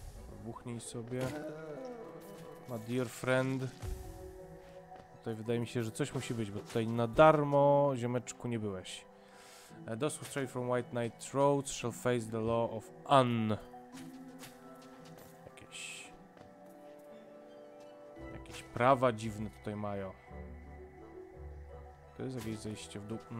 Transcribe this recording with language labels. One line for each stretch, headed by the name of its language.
Polish: Wybuchnij sobie.
English: My dear friend.
Polish: Tutaj wydaje mi się, że coś musi być, bo tutaj na darmo, ziomeczku, nie byłeś.
English: Those who stray from White Knight Roads shall face the law of Un.
Polish: Jakieś prawa dziwne tutaj mają. To jest jakieś zejście w dół.